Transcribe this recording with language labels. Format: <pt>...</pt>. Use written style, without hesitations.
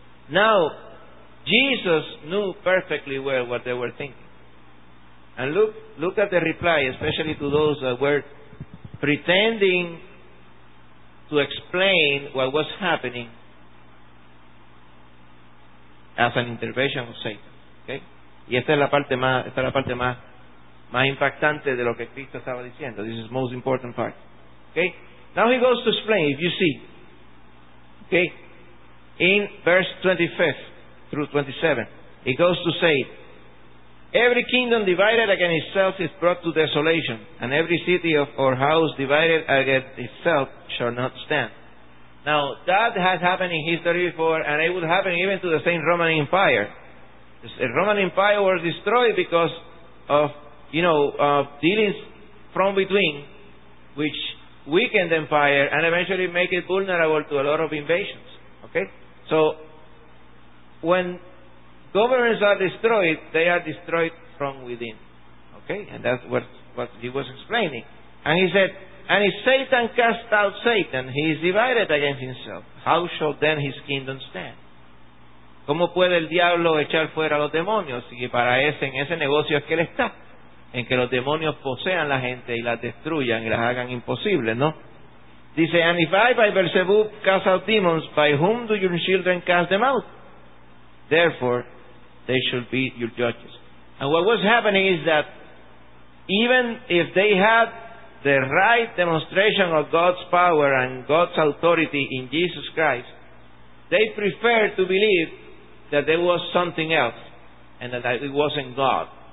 <en>Now, Jesus knew perfectly well what they were thinking. And look at the reply, especially to those that were pretending to explain what was happening as an intervention of Satan. Okay?</en> <es>Y esta es la parte más impactante de lo que Cristo estaba diciendo.</es> <en>This is the most important part. Okay? Now he goes to explain, if you see. Okay? In verse 25-27, he goes to say, every kingdom divided against itself is brought to desolation, and every city or house divided against itself shall not stand. Now, that has happened in history before, and it would happen even to the same Roman Empire. The Roman Empire was destroyed because of, you know, dealings from between, which weakened the empire and eventually make it vulnerable to a lot of invasions. Okay? So, when governments are destroyed, they are destroyed from within. Okay? And that's what he was explaining. And he said, and if Satan cast out Satan, he is divided against himself. How shall then his kingdom stand?</en> <es>¿Cómo puede el diablo echar fuera a los demonios? Y para ese, en ese negocio es que él está. En que los demonios posean la gente y las destruyan y las hagan imposibles, ¿no? Dice,</es> <en>and if I by Beelzebub cast out demons, by whom do your children cast them out? Therefore, they should be your judges. And what was happening is that even if they had the right demonstration of God's power and God's authority in Jesus Christ, they preferred to believe that there was something else and that it wasn't God.</en>